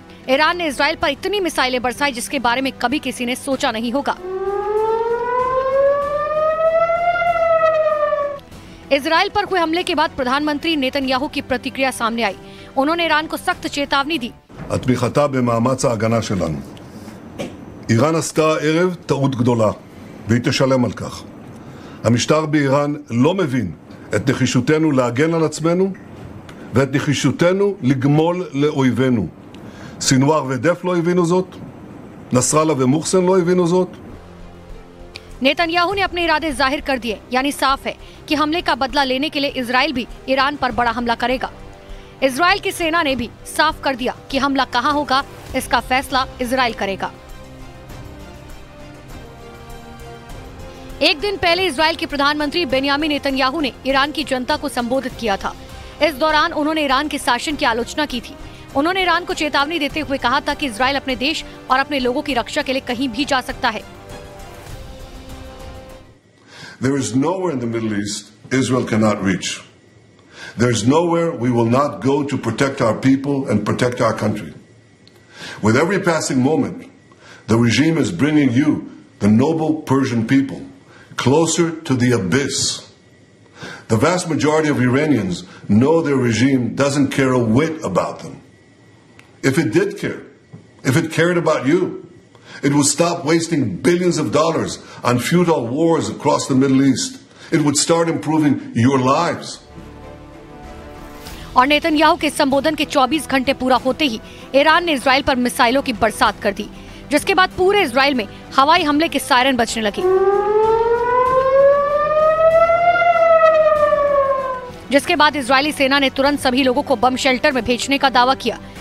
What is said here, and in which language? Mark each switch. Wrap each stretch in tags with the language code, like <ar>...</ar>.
<hi>Iran ने Israel पर इतनी मिसाइलें बरसाई जिसके बारे में कभी किसी ने सोचा नहीं होगा। इसराइल पर हुए हमले के बाद प्रधानमंत्री नेतन्याहू की प्रतिक्रिया सामने आई। उन्होंने ईरान को सख्त चेतावनी दी।</hi> <he>התמיכתה במאמץ ההגנה שלנו. איראן עשתה ערב טעות גדולה, והיא תשלם על כך. המשטר באיראן לא מבין את נחישותנו להגן על עצמנו ואת נחישותנו לגמול לאויבינו. סינואר ודף לא הבינו זאת, נסראללה ומוחסן לא הבינו זאת.</he> <hi>नेतन्याहू ने अपने इरादे जाहिर कर दिए, यानी साफ है कि हमले का बदला लेने के लिए इसराइल भी ईरान पर बड़ा हमला करेगा। इसराइल की सेना ने भी साफ कर दिया कि हमला कहां होगा, इसका फैसला इसराइल करेगा। एक दिन पहले इसराइल के प्रधानमंत्री बेन्यामिन नेतन्याहू ने ईरान की जनता को संबोधित किया था। इस दौरान उन्होंने ईरान के शासन की आलोचना की थी। उन्होंने ईरान को चेतावनी देते हुए कहा था कि इसराइल अपने देश और अपने लोगों की रक्षा के लिए कहीं भी जा सकता है।</hi> <en>There is nowhere in the Middle East Israel cannot reach. There is nowhere we will not go to protect our people and protect our country. With every passing moment, the regime is bringing you, the noble Persian people, closer to the abyss. The vast majority of Iranians know their regime doesn't care a whit about them. If it did care, if it cared about you, it would stop wasting billions of dollars on futile wars across the Middle East. It would start improving your lives.</en> <hi>और Netanyahu के संबोधन के 24 घंटे पूरा होते ही Iran ने Israel पर मिसाइलों की बरसात कर दी, जिसके बाद पूरे इसराइल में हवाई हमले के सायरन बजने लगे, जिसके बाद इजरायली सेना ने तुरंत सभी लोगों को बम शेल्टर में भेजने का दावा किया।</hi>